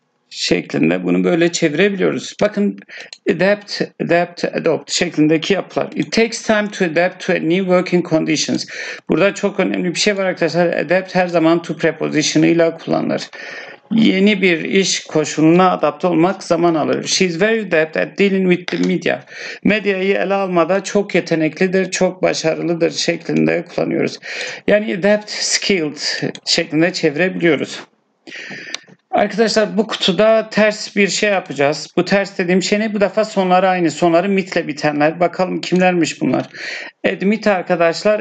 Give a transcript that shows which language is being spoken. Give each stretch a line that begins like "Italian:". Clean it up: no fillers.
Turkish: Şeklinde bunu böyle çevirebiliyoruz. Bakın adapt şeklindeki yapılar.
English: It takes time to adapt to a new working conditions.
Turkish: Burada çok önemli bir şey var arkadaşlar. Adapt her zaman to preposition'ıyla kullanılır. Yeni bir iş koşuluna adapte olmak zaman alır.
English: She is very adept at dealing with the media.
Turkish: Medyayı ele almada çok yeteneklidir, çok başarılıdır şeklinde kullanıyoruz. Yani adapt skilled şeklinde çevirebiliyoruz. Arkadaşlar bu kutuda ters bir şey yapacağız. Bu ters dediğim şey ne? Bu defa sonları aynı. Sonları mit'le bitenler. Bakalım kimlermiş bunlar. Admit arkadaşlar.